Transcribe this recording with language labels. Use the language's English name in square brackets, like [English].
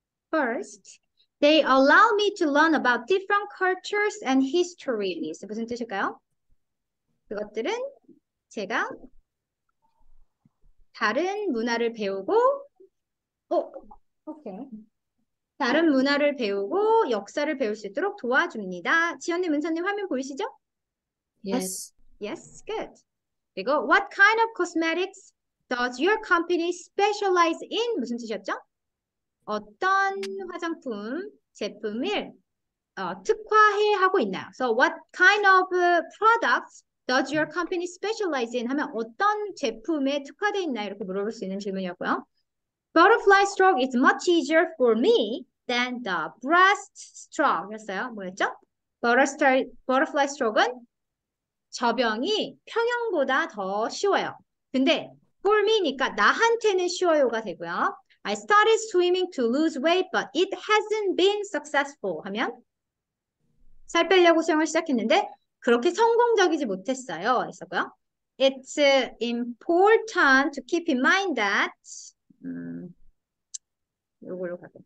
[English] First, they allow me to learn about different cultures and histories. [Korean] 무슨 뜻일까요? 그것들은 제가 다른 문화를 배우고, 다른 문화를 배우고 역사를 배울 수 있도록 도와줍니다. 지연님, 은서님 화면 보이시죠? [English] Yes. Yes, good. [Korean] 그리고 [English] what kind of cosmetics does your company specialize in? [Korean] 무슨 뜻이었죠? 어떤 화장품 제품을 특화해 하고 있나요? [English] So what kind of products does your company specialize in? [Korean] 하면 어떤 제품에 특화되어 있나요? 이렇게 물어볼 수 있는 질문이었고요. [English] Butterfly stroke is much easier for me than the breast stroke. [Korean] 였어요. 뭐였죠? Butterfly stroke은 접영이 평영보다 더 쉬워요. 근데 for me니까 나한테는 쉬워요가 되고요. [English] I started swimming to lose weight, but it hasn't been successful. [Korean] 하면 살 빼려고 수영을 시작했는데 그렇게 성공적이지 못했어요. 있었고요. [English] It's important to keep in mind that [Korean] 요걸로 갈게.